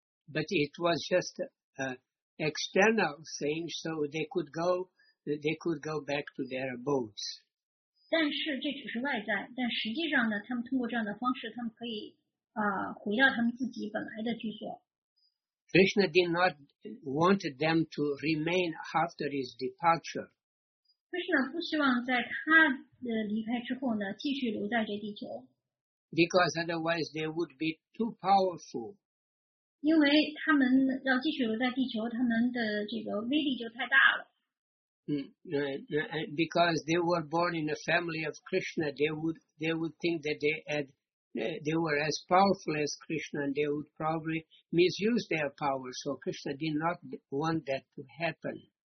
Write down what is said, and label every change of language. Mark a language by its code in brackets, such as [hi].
[en] But it was just external thing, so they could go back to their abodes. [zh] 但是这只是外在，但实际上呢，他们通过这样的方式，他们可以回到他们自己本来的居所。 [en] Krishna did not want them to remain after his departure. [zh] Krishna 不希望在他的离开之后呢，继续留在这地球。 [en] Because otherwise they would be too powerful. [zh] 因为他们要继续留在地球，他们的这个威力就太大了。 [en] Because they were born in a family of Krishna, they would think that they were as powerful as Krishna, and they would probably misuse their power. So Krishna did not want that to happen.